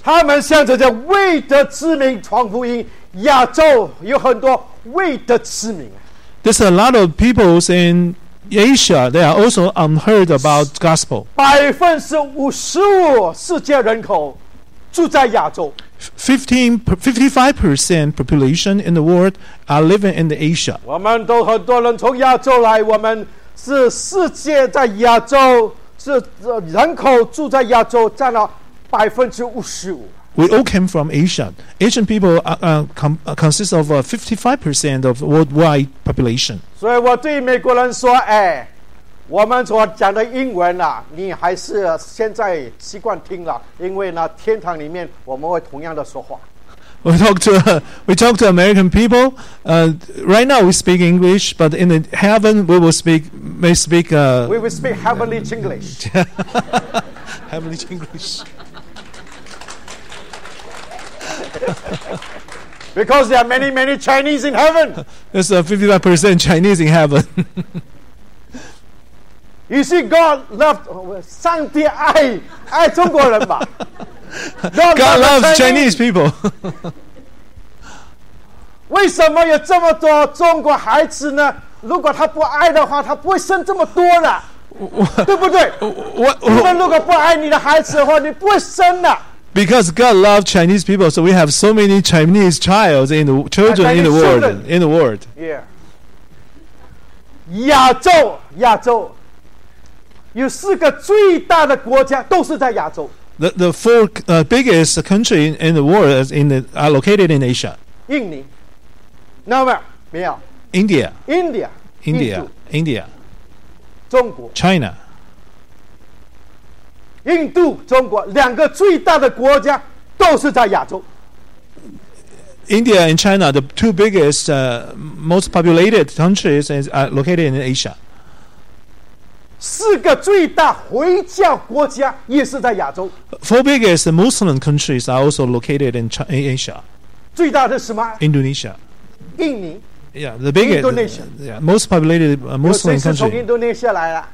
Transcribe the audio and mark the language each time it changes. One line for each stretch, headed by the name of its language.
Chinese: 他们向这些未得之民传福音，亚洲有很多未得之民。
English: There's a lot of peoples in Asia, they are also unheard about gospel.
Chinese: 55% 世界人口住在亚洲。
English: 55% population in the world are living in the Asia.
Chinese: 我们都很多人从亚洲来，我们是世界在亚洲，是人口住在亚洲占了55%。
English: We all came from Asia. Asian people consist of 55% of worldwide population.
Chinese: 所以我对美国人说，哎，我们所讲的英文啊，你还是现在习惯听了，因为呢，天堂里面我们会同样的说话。
English: We talk to American people. Right now we speak English, but in the heaven we will speak. We will speak heavenly English. Heavenly English. Because there are many, many Chinese in heaven. There's 55% Chinese in heaven. You see, God loved
Chinese: 上帝爱中国人吧。
English: God loves Chinese people.
Chinese: 为什么有这么多中国孩子呢？如果他不爱的话，他不会生这么多的，对不对？我如果不爱你的孩子的话，你不会生的。
English: Because God loves Chinese people, so we have so many Chinese children in the world. In the world, yeah.
Chinese: 亚洲有四个最大的国家都是在亚洲。
English: The four biggest country in the world are located in Asia.
Chinese: 印尼 ，No 没有
English: ，India，
Chinese: 中国
English: ，China，
Chinese: 印度，中国两个最大的国家都是在亚洲。
English: India and China, the two biggest, most populated countries, are located in Asia.
Chinese: 四个最大回教国家也是在亚洲。
English: Four biggest Muslim countries are also located in Asia.
Chinese: 最大的是什么
English: ？Indonesia.
Chinese: 印尼。
English: Yeah, the biggest. Indonesia. Yeah, most populated Muslim country.
Chinese: 有谁是从印度尼西亚来的